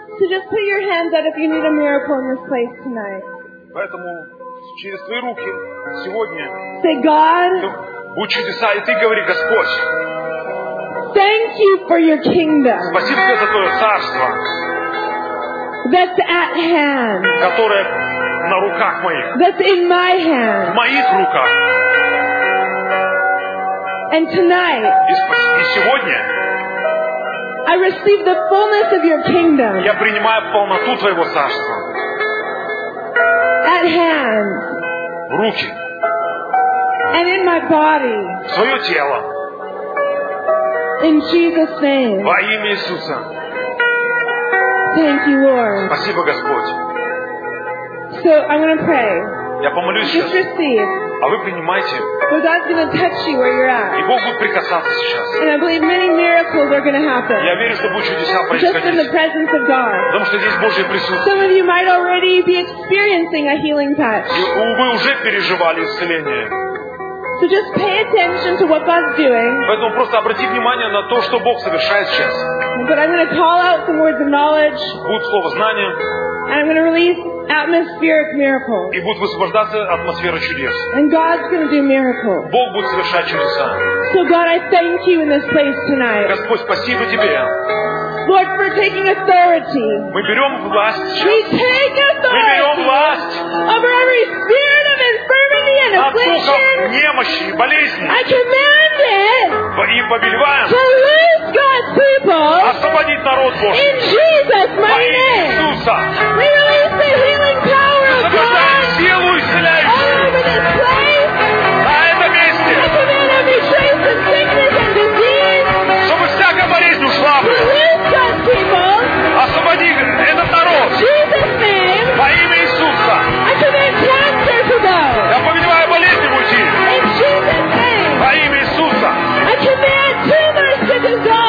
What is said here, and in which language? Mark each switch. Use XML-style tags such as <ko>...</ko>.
<en>So just put your hands out if you need a miracle in this place tonight.</en> <ru>Поэтому через твои руки сегодня.</ru> <en>Say God.</en> <ru>Будь чудеса, и ты говори, Господь.</ru> <en>Thank you for your kingdom.</en> <ru>Спасибо тебе за твое царство.</ru> <en>That's at hand.</en> <ru>Которое на руках моих.</ru> <en>That's in my hand.</en> <ru>В моих руках.</ru> <en>And tonight,</en> <ru>и сегодня,</ru> <en>I receive the fullness of your kingdom.</en> <ru>Я принимаю полноту твоего царства.</ru> <en>At hand.</en> <ru>В руки.</ru> <en>And in my body.</en> <ru>В свое тело.</ru> <en>In Jesus' name.</en> <ru>Во имя Иисуса.</ru> <en>Thank you, Lord.</en> <ru>Спасибо, Господь.</ru> <en>So I'm going to pray.</en> <ru>Я помолюсь сейчас.</ru> <en>Just receive.</en> <ru>А вы принимайте.</ru> <en>Well, God's going to touch you where you're at.</en> <ru>И Бог будет прикасаться сейчас.</ru> <en>And I believe many miracles are going to happen.</en> <ru>Я верю, что будут чудеса происходить.</ru> <en>Just in the presence of God.</en> <ru>Потому что здесь Божье присутствие.</ru> <en>Some of you might already be experiencing a healing touch.</en> <ru>Вы уже переживали исцеление.</ru> <en>So just pay attention to what God's doing.</en> <ru>Поэтому просто обрати внимание на то, что Бог совершает сейчас.</ru> <en>But I'm going to call out some words of knowledge.</en> <ru>Будет слово знания.</ru> <en>And I'm going to release atmospheric miracles.</en> <ru>И будет высвобождаться атмосфера чудес.</ru> <en>And God's going to do miracles.</en> <ru>Бог будет совершать чудеса.</ru> <en>So God, I thank you in this place tonight.</en> <ru>Господь, спасибо тебе.</ru> <en>Lord, for taking authority.</en> <ru>Мы берем власть.</ru> <en>We take authority.</en> <ru>Мы берем власть.</ru> <en>Over every spirit of infirmity and affliction.</en> <ru>От духов немощи, болезни.</ru> <en>I command it.</en> <ru>И повелеваем.</ru> <en>To loose God's people.</en> <ru>Освободить народ Божий.</ru> <en>In Jesus' mighty name.</en> <ru>Во имя Иисуса.</ru> <en>We release the healing power of God.</en> <ru>Освобождаем силу исцеляющую.</ru> <en>All over this place.</en> <ru>На этом месте.</ru> <en>I command every trace of sickness and disease.</en> <ru>Чтобы всякая болезнь ушла. Освободи этот народ. Во имя Иисуса. Я повелеваю болезни уйти. Во имя Иисуса.</ru>